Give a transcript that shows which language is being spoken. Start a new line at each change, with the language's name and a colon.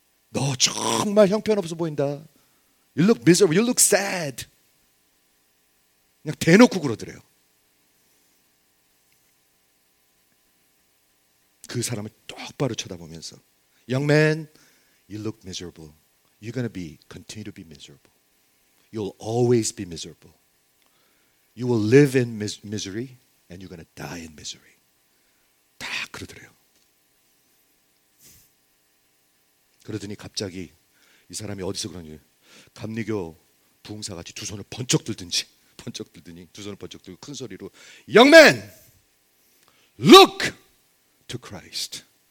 Korean: 너 정말 형편없어 보인다.
English: You look miserable. You look sad.
Korean: 그냥 대놓고 그러더래요. 그 사람을 똑바로 쳐다보면서
English: Young man, you look miserable. You're going to be, continue to be miserable. You'll always be miserable. You will live in misery and you're going to die in misery.
Korean: 다 그러더래요. 그러더니 갑자기 이 사람이 어디서 그러는지 감리교 부흥사같이 두 손을 번쩍 들더니 큰 소리로
English: Young man! Look! To Christ.